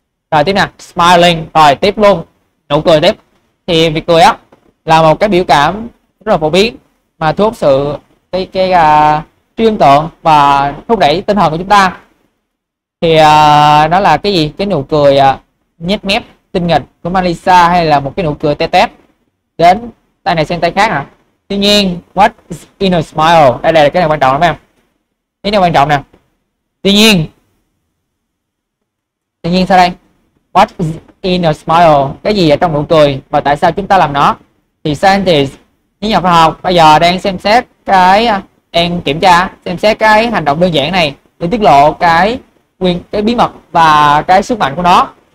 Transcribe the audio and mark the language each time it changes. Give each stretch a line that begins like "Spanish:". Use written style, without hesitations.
Vietnamese: Rồi tiếp nè, smiling, rồi tiếp luôn, nụ cười tiếp. Thì việc cười á là một cái biểu cảm rất là phổ biến mà thu hút sự cái tưởng tượng và thúc đẩy tinh thần của chúng ta. Thì nó là cái gì? Cái nụ cười nhếch mép tinh nghịch của Mona Lisa, hay là một cái nụ cười tê tét đến tay này sang tay khác à? Tuy nhiên,
English: what is in a smile?
Vietnamese: Đây là cái này quan trọng lắm em. Cái này quan trọng nè. Tuy nhiên sao đây?
English: What is in a smile?
Vietnamese: Cái gì ở trong nụ cười và tại sao chúng ta làm nó? Thì scientists, những nhà khoa học bây giờ đang xem xét cái đang kiểm tra xem xét cái hành động đơn giản này để tiết lộ cái bí mật và cái sức mạnh của nó.